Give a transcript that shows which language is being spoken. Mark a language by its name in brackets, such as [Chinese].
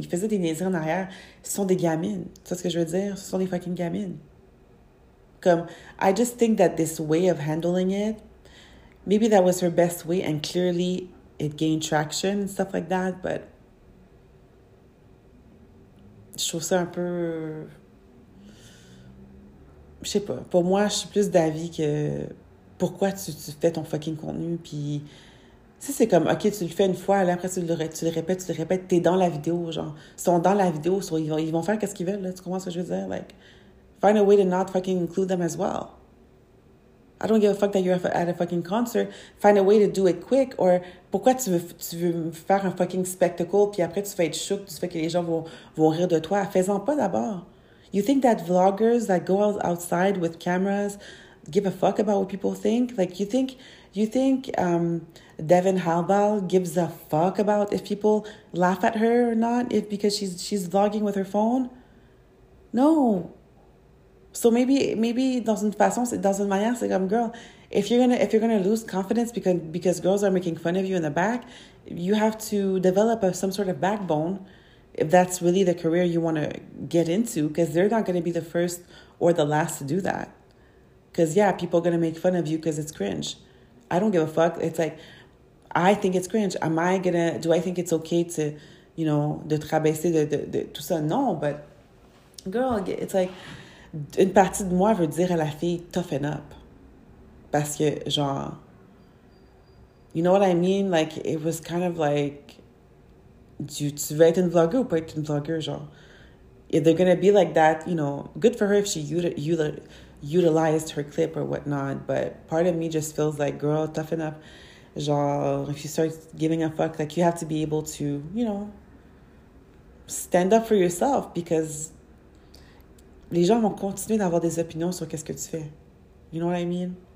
[French] Ils faisaient des niaiseries en arrière. Ce sont des gamines. C'est ce que je veux dire. Ce sont des fucking gamines. [English] Comme, I just think that this way of handling it, maybe that was her best way, and clearly it gained traction and stuff like that, but [French] je trouve ça un peu... Je sais pas. Pour moi, je suis plus d'avis que pourquoi tu fais ton fucking contenu, puis... Si c'est comme, OK, tu le fais une fois, là, après, tu le répètes, t'es dans la vidéo, genre. Ils sont dans la vidéo, ils vont faire qu'est-ce qu'ils veulent, là. Tu comprends ce que je veux dire? [English] Like, find a way to not fucking include them as well. I don't give a fuck that you're at a fucking concert. Find a way to do it quick. [French] Or, pourquoi tu veux faire un fucking spectacle, puis après, tu vas être shook, tu fais que les gens vont rire de toi. Fais-en pas d'abord. [English] You think that vloggers that go outside with cameras give a fuck about what people think? Like, you think Devin Halbal gives a fuck about if people laugh at her or not, if because she's vlogging with her phone? No. So maybe [French] dans une façon, dans une manière, c'est comme, [English] girl, if you're gonna lose confidence because girls are making fun of you in the back, you have to develop some sort of backbone if that's really the career you want to get into, because they're not going to be the first or the last to do that. Because, yeah, people are going to make fun of you because it's cringe. I don't give a fuck. It's like, I think it's cringe. Do I think it's okay to, you know, [French] de te rabaisser, de tout ça? Non, [English] but, girl, it's like, [French] une partie de moi veut dire à la fille, [English] toughen up. [French] Parce que, genre, [English] you know what I mean? Like, it was kind of like, [French] tu veux être une vlogger ou pas être une vlogger, genre. [English] If they're gonna be like that, you know, good for her if she utilized her clip or whatnot, but part of me just feels like, girl, toughen up. Genre, if you start giving a fuck, like, you have to be able to, you know, stand up for yourself, because [French] les gens vont continuer d'avoir des opinions sur qu'est-ce que tu fais. [English] You know what I mean?